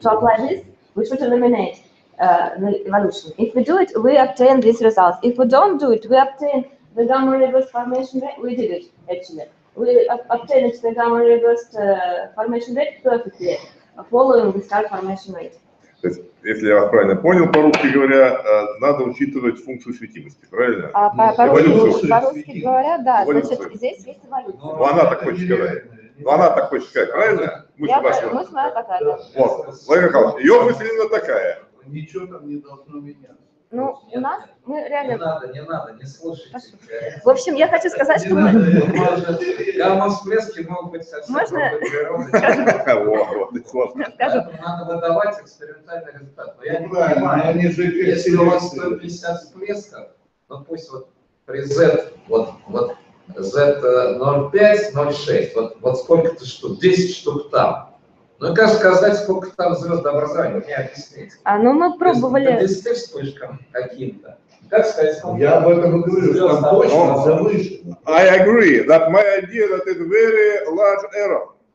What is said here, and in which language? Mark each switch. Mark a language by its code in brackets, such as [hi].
[en] To apply this, we should eliminate the evolution. If we do it, we obtain these results. If we don't do it, we obtain the gamma ray burst formation rate. We did it, actually. We obtained the gamma ray burst formation rate perfectly, following the star formation rate. [ru] Если я вас правильно понял, по-русски говоря, надо учитывать функцию светимости, правильно? А по-русски говоря, да, значит, здесь есть эволюция. Ну, она так хочет сказать. Ну, она так хочет сказать, правильно? Мысль ваша. Мысль моя такая, да. Вот, Владимир Михайлович, ее мысль именно такая. Ничего там не должно меняться. Ну, у нас, мы реально... Не надо, не слушайте. В общем, я хочу сказать, что... Не надо, гамма-всплески могут быть совсем... Можно? Надо выдавать экспериментальный результат. Я не понимаю, если у вас 150 всплесков, ну пусть вот при Z, вот Z 0,5-0,6, вот сколько-то штук, 10 штук там. Ну, как сказать, сколько там звездообразования, мне объяснить. А, ну мы пробовали. Это десяти вспышкам каким-то. Как сказать, сколько? Я об этом и говорю, что там точно завышено. [en] I agree that my idea that it's very large error.